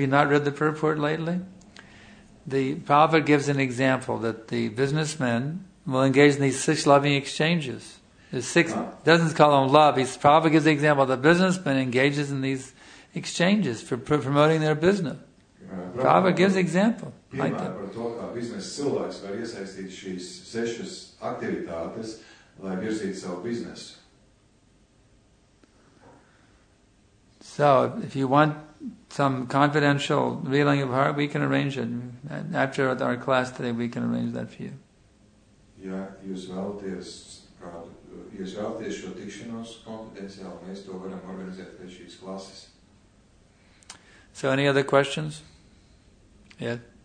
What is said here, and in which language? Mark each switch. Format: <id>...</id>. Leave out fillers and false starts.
<en>Have you not read the purport lately? The Prabhupada gives an example that the businessmen will engage in these six loving exchanges. There's six, doesn't call them love. Prabhupada gives the example that the businessman engages in these exchanges for promoting their business. Prabhupada gives example.</en> <lv>Piemēram par to, kā biznesa cilvēks var iesaistīt šīs sešas aktivitātes, lai virzītu savu biznesu.</lv> <en>So, if you want some confidential revealing of heart, we can arrange it. After our class today, we can arrange that for you.</en> <lv>Ja jūs vēlaties šo tikšanos konfidenciāli, mēs to varam organizēt pēc šīs klases.</lv> <en>So, any other questions? Yeah.</en>